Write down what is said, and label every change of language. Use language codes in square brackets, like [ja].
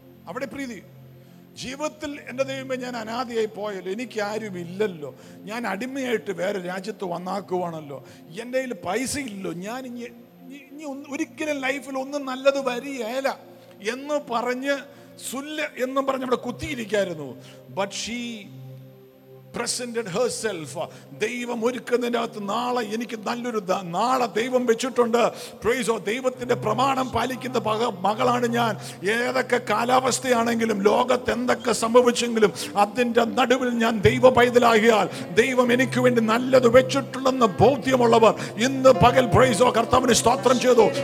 [ml] അവിടെ പ്രീതി, ജീവിതത്തിൽ എന്റെ ദൈവമേ ഞാൻ അനാഥയായി പോയല്ലോ, എനിക്ക് ആരും ഇല്ലല്ലോ, ഞാൻ അടിമയായിട്ട് വേറെ രാജ്യത്ത് വന്നാക്കുവാണല്ലോ, എന്റെ കയ്യിൽ പൈസ ഇല്ലല്ലോ, ഞാൻ ഇനി ഒരിക്കലും ലൈഫിൽ ഒന്നും നല്ലത് വരിയേല എന്ന് പറഞ്ഞ് സുല്ല എന്നും പറഞ്ഞ് അവിടെ കുത്തിയിരിക്കായിരുന്നു. [en] But she presented herself. [ml] ദൈവം ഒരുക്കുന്നതിന്റെ അകത്ത് നാളെ എനിക്ക് നല്ലൊരു നാളെ ദൈവം വെച്ചിട്ടുണ്ട്. പ്രൈസോ, ദൈവത്തിന്റെ പ്രമാണം പാലിക്കുന്ന മകളാണ് ഞാൻ. ഏതൊക്കെ കാലാവസ്ഥയാണെങ്കിലും ലോകത്ത് എന്തൊക്കെ സംഭവിച്ചെങ്കിലും അതിന്റെ നടുവിൽ ഞാൻ ദൈവ പൈതലാകിയാൽ ദൈവം എനിക്ക് വേണ്ടി നല്ലത് വെച്ചിട്ടുണ്ടെന്ന് ബോധ്യമുള്ളവർ ഇന്ന് പകൽ പ്രൈസോ കർത്താവിന് സ്തോത്രം ചെയ്തു.